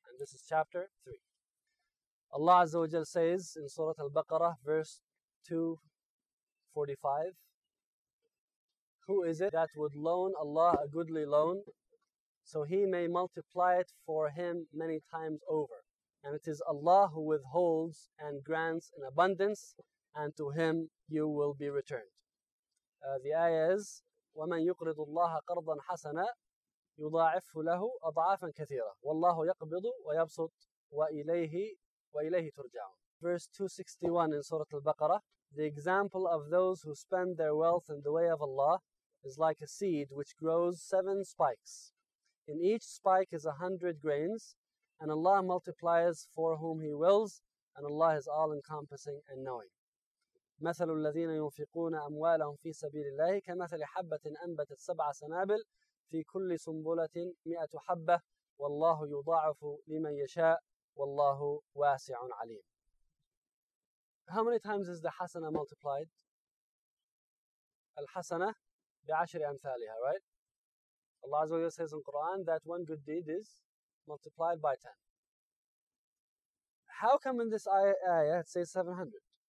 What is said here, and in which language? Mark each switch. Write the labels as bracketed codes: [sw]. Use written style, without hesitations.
[en] And this is chapter 3. Allah Azza wa Jal says in Surah Al-Baqarah, verse 245, who is it that would loan Allah a goodly loan so He may multiply it for him many times over? And it is Allah who withholds and grants in abundance, and to Him you will be returned. [ar] The ayah is, وَمَنْ يُقْرِضُ اللَّهَ قَرْضًا حَسَنًا يُضَاعِفْهُ لَهُ أَضْعَافًا كَثِيرًا وَاللَّهُ يَقْبِضُ وَيَبْسُطُ وَإِلَيْهِ تُرْجَعُونَ. [en] Verse 261 in Surah Al-Baqarah, the example of those who spend their wealth in the way of Allah is like a seed which grows 7 spikes. In each spike is 100 grains, and Allah multiplies for whom He wills, and Allah is all-encompassing and knowing. [ar] مثل الذين ينفقون أموالهم في سبيل الله كمثل حبة أنبتت 7 سنابل في كل سنبلة 100 حبة والله يضاعف لمن يشاء والله واسع عليم. [en] How many times is the hasana multiplied? Al-hasana [ar] بعشر أمثالها, [en] right? Allah Azza wa Jalla says in Quran that one good deed is multiplied by 10. How come in this ayah it says 700?